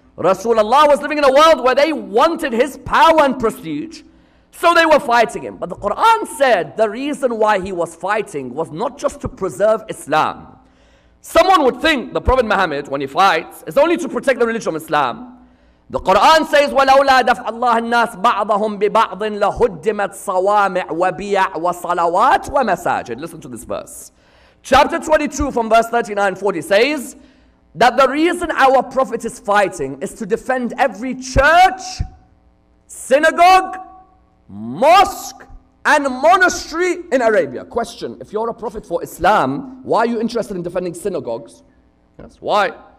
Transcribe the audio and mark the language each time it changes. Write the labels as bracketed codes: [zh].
[en] Rasulullah was living in a world where they wanted his power and prestige, so they were fighting him. But the Quran said the reason why he was fighting was not just to preserve Islam. Someone would think the Prophet Muhammad, when he fights, is only to protect the religion of Islam. The Quran says, [ar] وَلَوْلَا دَفْعَ اللَّهِ النَّاسِ بَعْضَهُمْ بِبَعْضٍ لَهُدِّمَتْ صَوَامِعْ وَبِيَعْ وَصَلَوَاتٍ وَمَسَاجِدٍ. [en] Listen to this verse. Chapter 22 from verse 39-40 says that the reason our Prophet is fighting is to defend every church, synagogue, mosque, and monastery in Arabia. Question, if you're a prophet for Islam, why are you interested in defending synagogues? Yes, why?